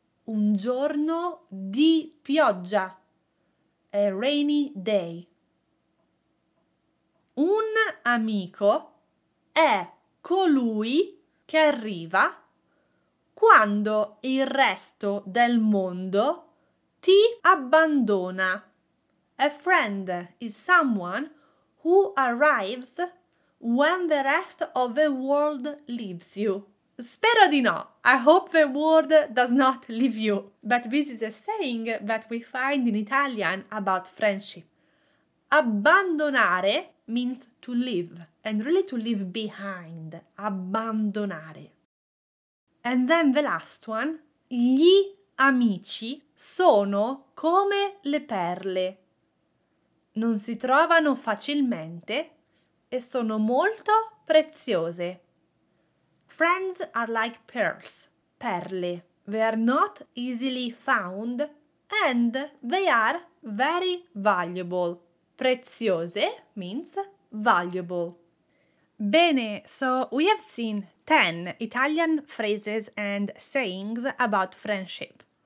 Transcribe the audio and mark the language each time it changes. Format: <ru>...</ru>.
<it>un giorno di pioggia.</it> <en>A rainy day.</en> <it>Un amico è colui che arriva quando il resto del mondo ti abbandona.</it> <en>A friend is someone who arrives when the rest of the world leaves you.</en> <it>Spero di no.</it> <en>I hope the world does not leave you. But this is a saying that we find in Italian about friendship. Abbandonare means to leave, and really to leave behind. Abbandonare. And then the last one.</en> <it>Gli amici sono come le perle. Non si trovano facilmente e sono molto preziose.</it> <en>Friends are like pearls, perle. They are not easily found and they are very valuable. Preziose means valuable.</en> <it>Bene,</it> <en>so we have seen 10 Italian phrases and sayings about friendship.</en>